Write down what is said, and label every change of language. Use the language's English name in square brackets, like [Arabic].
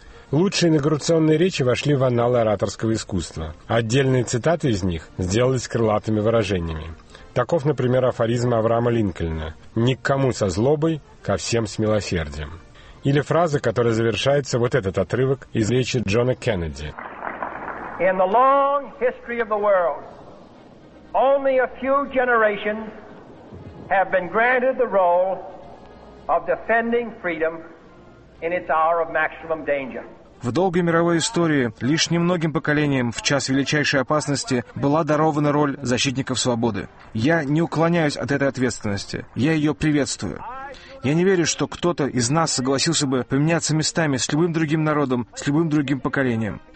[Russian] Лучшие инаугурационные речи вошли в анналы ораторского искусства. Отдельные цитаты из них сделались крылатыми выражениями. Таков, например, афоризм Авраама Линкольна: «Ни к кому со злобой, ко всем с милосердием». Или фраза, которая завершается вот этот отрывок из речи Джона Кеннеди. [English] In the long history of the world, only a few generations have been granted the role of defending freedom in its hour of maximum danger. [Russian] В долгой мировой истории лишь немногим поколениям в час величайшей опасности была дарована роль защитников свободы. Я не уклоняюсь от этой ответственности. Я ее приветствую. Я не верю, что кто-то из нас согласился бы поменяться местами с любым другим народом, с любым другим поколением.